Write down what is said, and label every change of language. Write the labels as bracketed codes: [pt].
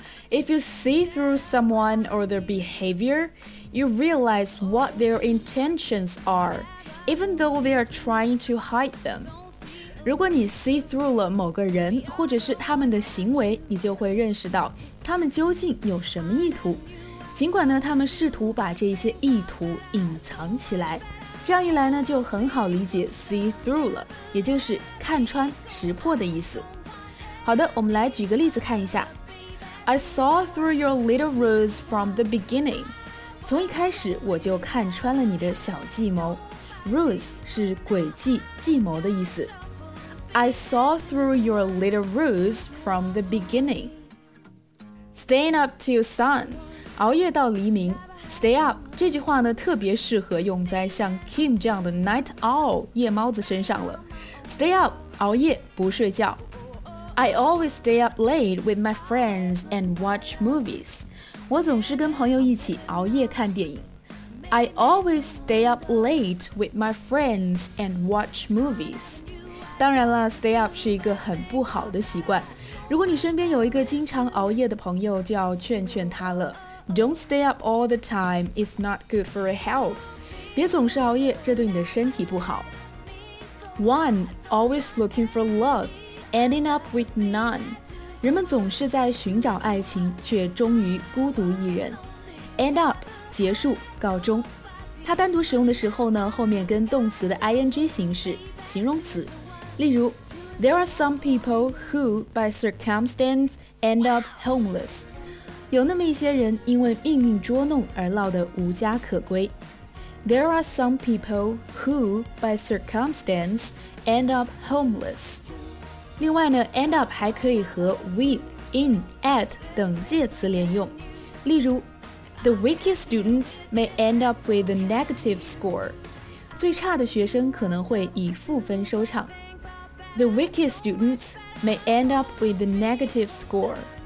[en] If you see through someone or their behavior, you realize what their intentions are. Even though they are trying to hide them. [zh] 如果你 see through 了某个人或者是他们的行为，你就会认识到他们究竟有什么意图，尽管呢他们试图把这些意图隐藏起来。这样一来呢，就很好理解 see through 了，也就是看穿识破的意思。好的，我们来举个例子看一下。 [en] I saw through your little ruse from the beginning. [zh] 从一开始我就看穿了你的小计谋。 Ruse 是诡计、计谋的意思。 [en] I saw through your little ruse from the beginning. Staying up till sun, [zh] 熬夜到黎明。 [en] Stay up [zh] 这句话呢特别适合用在像 Kim 这样的 night owl 夜猫子身上了。 Stay up 熬夜不睡觉。 [en] I always stay up late with my friends and watch movies. [zh] 我总是跟朋友一起熬夜看电影。 [en] I always stay up late with my friends and watch movies. [zh] 当然了 stay up 是一个很不好的习惯，如果你身边有一个经常熬夜的朋友就要劝劝他了。 [en] Don't stay up all the time, it's not good for your health. [zh] 别总是熬夜，这对你的身体不好。 [en] One, always looking for love, ending up with none. [zh] 人们总是在寻找爱情，却终于孤独一人。 End up, 结束，告终。它单独使用的时候呢，后面跟动词的 ing 形式，形容词。例如 [en] There are some people who, by circumstance, end up homeless. [zh] 有那么一些人因为命运捉弄而落得无家可归。 [en] There are some people who, by circumstance, end up homeless. [zh] 另外呢 end up 还可以和 with, in, at 等介词连用。例如 [en] The weakest students may end up with a negative score. [zh] 最差的学生可能会以负分收场。 [en] The weakest students may end up with a negative score.